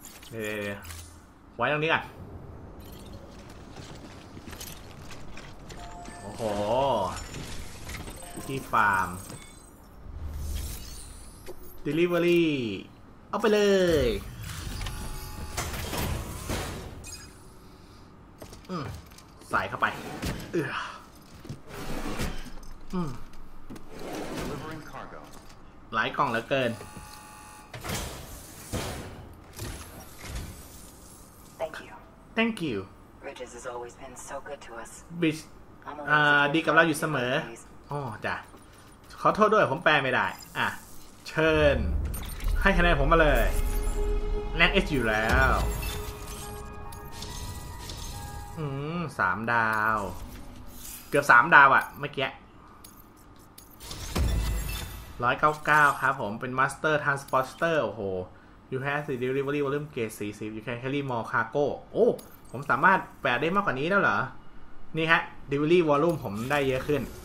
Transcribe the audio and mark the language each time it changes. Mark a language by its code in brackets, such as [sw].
[th] เดี๋ยวไว้ตรงนี้ก่อนโอ้โหที่ฟาร์ม delivery เอาไปเลยใส่เข้าไป หลายกล่องเหลือเกิน [en] Thank you. Bridges has always been so good to us. [th] Bridge, ดีกับเราอยู่เสมออ๋อจ้ะขอโทษด้วยผมแปลไม่ได้อ่ะเชิญให้คะแนนผมมาเลยแรงเอชอยู่แล้ว สามดาวเกือบสามดาวอ่ะเมื่อกี้199ครับผมเป็นมาสเตอร์ทรานสปอร์ตเตอร์โอ้โห [en] You have the delivery volume gate 40 You can carry more cargo [th] โอ้ผมสามารถแบกได้มากกว่านี้แล้วเหรอนี่ฮะ delivery volume ผมได้เยอะขึ้น